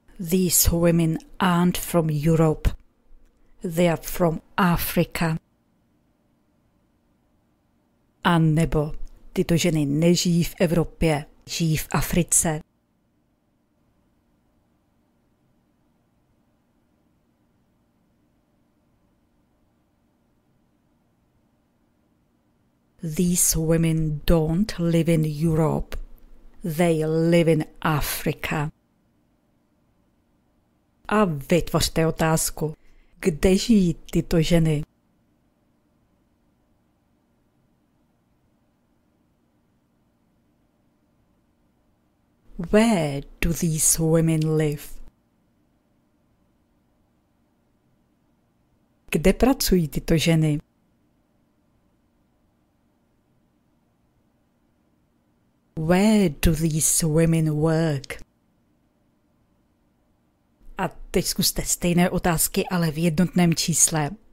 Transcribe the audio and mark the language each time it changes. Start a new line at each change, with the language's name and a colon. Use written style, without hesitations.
English: These women aren't from Europe. They are from Africa.
Czech: A nebo tyto ženy nežijí v Evropě, žijí v Africe.
English: These women don't live in Europe. They live in Africa.
Czech: A vytvořte otázku. Kde žijí tyto ženy?
English: Where do these women live?
Czech: Kde pracují tyto ženy?
English: Where do these women work?
Czech: A teď zkuste stejné otázky, ale v jednotném čísle.